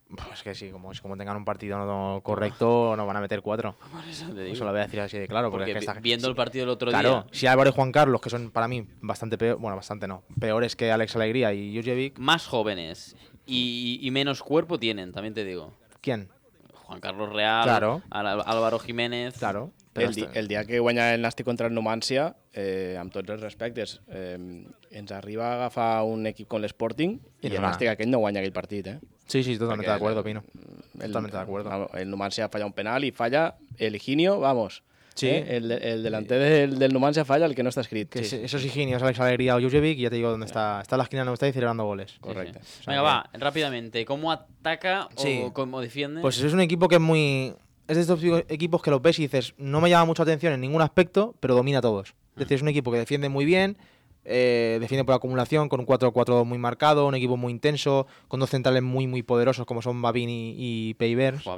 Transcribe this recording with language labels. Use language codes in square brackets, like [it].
[es] Pues que sí, como tengan un partido no correcto, nos van a meter 4. Por eso te digo. Eso lo voy a decir así de claro. Porque es que viendo el partido el otro claro, día... Claro, si Álvaro y Juan Carlos, que son para mí bastante peor, bueno, bastante no, peores que Alex Alegría y Jurjevic... Más jóvenes y menos cuerpo tienen, también te digo. ¿Quién? Juan Carlos Real, claro. Álvaro Jiménez... Claro. [ca] El dia que guanya el Nàstic contra el Numancia, amb tots els respectes, ens arriba a agafar un equip com l'Sporting i el Nàstic aquell no guanya aquell partit, eh? Sí, sí, totalment d'acord, opino. Totalment d'acord. [es] El Numancia falla un penal i falla el Higinio, vamos. Sí. [ca] El delanter del Numancia falla el que no està escrit. [es] Que sí. Eso es Higinio, es Alex Alegría o Jurjevic [ca] i ja [es] te digo dónde está. Está en la esquina de Neustadt celebrando goles. [ca] Correcte. [es] Sí, sí. Venga, va, ràpidamente. ¿Cómo ataca o cómo defiende? Pues es un equipo que es muy... Es de estos equipos que los ves y dices, no me llama mucho atención en ningún aspecto, pero domina a todos. Es decir, es un equipo que defiende muy bien, defiende por acumulación, con un 4-4-2 muy marcado, un equipo muy intenso, con dos centrales muy, muy poderosos como son Babin y Peivers.